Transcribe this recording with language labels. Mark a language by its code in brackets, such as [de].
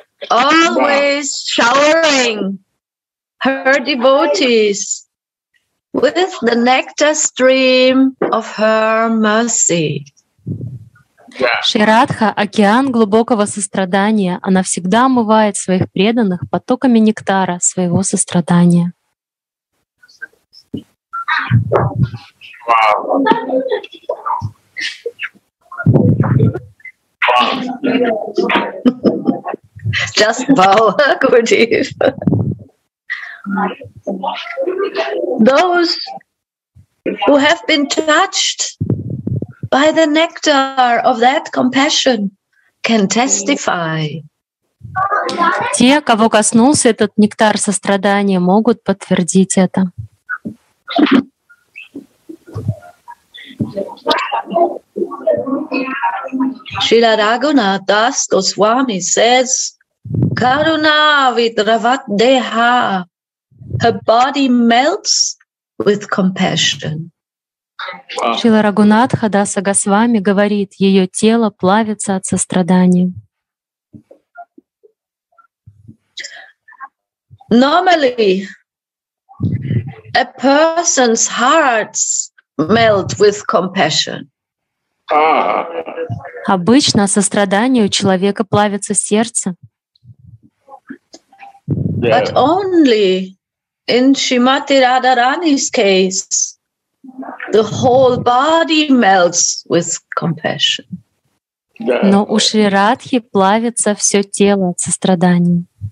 [en] Always showering her devotees with the nectar stream of her mercy. [ru] Шри Радха – океан глубокого сострадания. Она всегда омывает своих преданных потоками нектара своего сострадания. [en] Just bow, Gurudev. Those who have been touched by the nectar of that compassion can testify. [ru] Те, кого коснулся этот нектар сострадания, могут подтвердить это. [en] Шрила Рагхунатас Госвами says, [sa] Karuna vidravat deha, [en] her body melts with compassion. [ru] Шрила Рагхунатха Даса Госвами говорит, ее тело плавится от сострадания. [en] Normally, a person's hearts melt with compassion. [ru] Обычно сострадание у человека плавится сердце. [en] But only in Shrimati Radharani's case, the whole body melts with compassion. [ru] Но у Шри Радхи плавится все тело от сострадания.